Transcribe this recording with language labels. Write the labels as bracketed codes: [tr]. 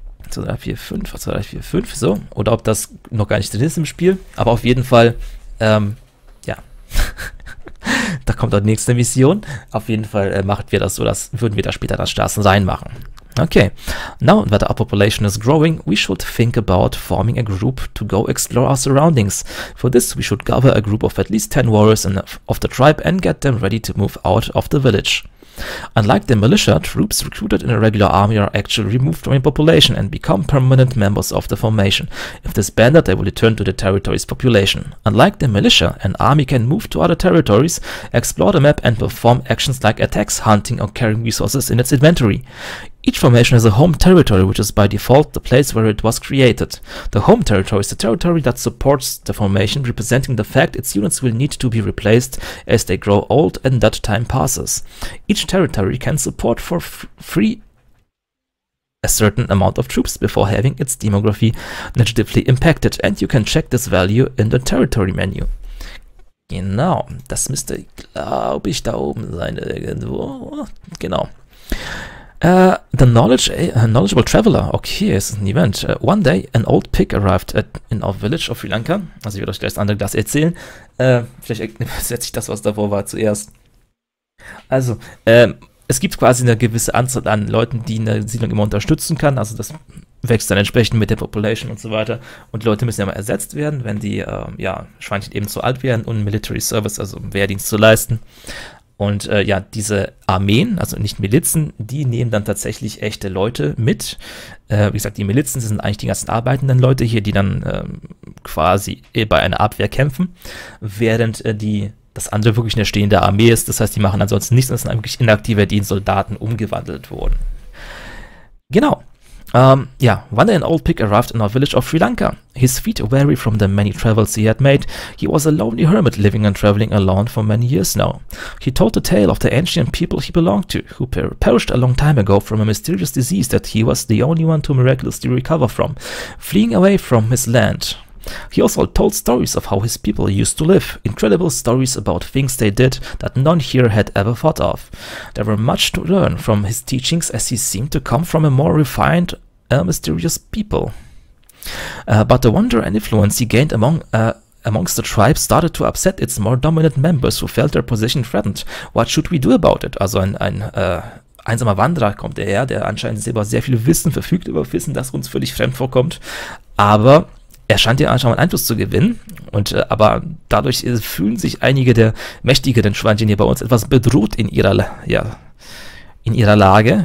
[de] 2, 3, 4, 5, 2, 3, 4, 5, so. Oder ob das noch gar nicht drin ist im Spiel. Aber auf jeden Fall, ja, Da kommt dann die nächste Mission. Auf jeden Fall machen wir das so, dass würden wir da später das Straßen sein machen. Okay. [en] Now that our population is growing, we should think about forming a group to go explore our surroundings. For this, we should gather a group of at least 10 warriors of the tribe and get them ready to move out of the village. Unlike the militia, troops recruited in a regular army are actually removed from a population and become permanent members of the formation. If disbanded, they will return to the territory's population. Unlike the militia, an army can move to other territories, explore the map and perform actions like attacks, hunting or carrying resources in its inventory. Each formation has a home territory, which is by default the place where it was created. The home territory is the territory that supports the formation, representing the fact its units will need to be replaced as they grow old and that time passes. Each territory can support for free a certain amount of troops before having its demography negatively impacted. And you can check this value in the territory menu. [de] Genau, das müsste, glaube ich, da oben sein irgendwo. [en] Genau. The knowledgeable traveler. [de] Okay, es ist ein Event. [en] One day, an old pig arrived in our village of Sri Lanka. [de] Also ich werde euch gleich das andere das erzählen. Vielleicht setze ich das, was davor war, zuerst. Also, es gibt quasi eine gewisse Anzahl an Leuten, die eine Siedlung immer unterstützen kann. Also das wächst dann entsprechend mit der Population und so weiter. Und Leute müssen ja mal ersetzt werden, wenn die ja, Schweinchen eben zu alt werden und Military Service, also Wehrdienst zu leisten. Und ja, diese Armeen, also nicht Milizen, die nehmen dann tatsächlich echte Leute mit. Wie gesagt, die Milizen sind eigentlich die ganzen arbeitenden Leute hier, die dann quasi bei einer Abwehr kämpfen, während das andere wirklich eine stehende Armee ist. Das heißt, die machen ansonsten nichts, sondern sind eigentlich inaktive, die in Soldaten umgewandelt wurden. Genau. [en] Ja, one day an old pig arrived in our village of Sri Lanka. His feet weary from the many travels he had made, he was a lonely hermit living and traveling alone for many years now. He told the tale of the ancient people he belonged to, who perished a long time ago from a mysterious disease that he was the only one to miraculously recover from, fleeing away from his land. He also told stories of how his people used to live, incredible stories about things they did that none here had ever thought of. There were much to learn from his teachings as he seemed to come from a more refined, mysterious people. But the wonder and influence he gained amongst the tribe started to upset its more dominant members who felt their position threatened. What should we do about it? [de] Also einsamer Wanderer kommt er her, der anscheinend selber sehr viel Wissen verfügt über Wissen, das uns völlig fremd vorkommt, aber er scheint ja anscheinend Einfluss zu gewinnen, und aber dadurch fühlen sich einige der mächtigeren Schweinchen hier bei uns etwas bedroht in ihrer, ja, in ihrer Lage.